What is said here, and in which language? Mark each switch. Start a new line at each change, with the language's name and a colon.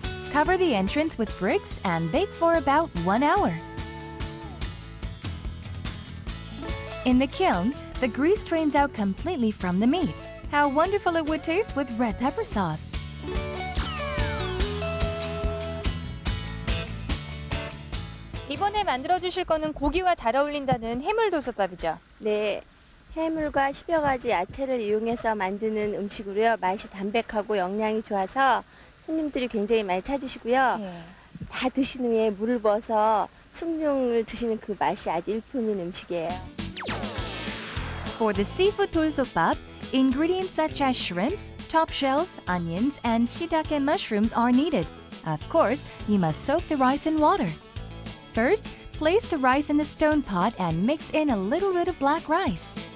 English: Cover the entrance with bricks and bake for about 1 hour. In the kiln, the grease drains out completely from the meat. How wonderful it would taste with red pepper sauce.
Korean: "이번에 만들어주실 거는 고기와 잘 어울린다는 해물도수밥이죠?" 네, 해물과 10여 가지 야채를 이용해서 만드는 음식으로요. 맛이 담백하고 영양이 좋아서 손님들이 굉장히 많이 찾으시고요. 네. 다 드신 후에 물을 부어서 숭늉을 드시는 그 맛이 아주 일품인 음식이에요.
English: For the seafood dosobab, ingredients such as shrimps, top shells, onions, and shiitake mushrooms are needed. Of course, you must soak the rice in water. First, place the rice in the stone pot and mix in a little bit of black rice.